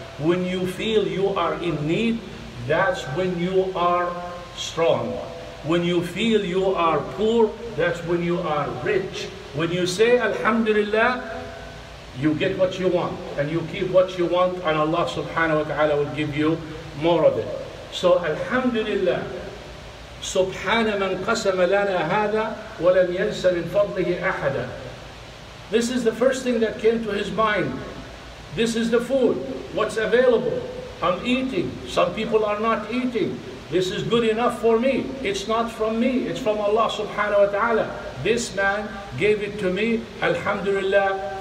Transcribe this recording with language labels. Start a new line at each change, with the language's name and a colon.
English: When you feel you are in need, that's when you are strong. When you feel you are poor, that's when you are rich. When you say Alhamdulillah, you get what you want. And you keep what you want, and Allah subhanahu wa ta'ala will give you more of it. So Alhamdulillah,
Arabic: سبحان من قسم لنا هذا ولم ينس من فضله أحدا.
English: This is the first thing that came to his mind. This is the food. What's available? I'm eating. Some people are not eating. This is good enough for me. It's not from me. It's from Allah subhanahu wa ta'ala. This man gave it to me. Alhamdulillah.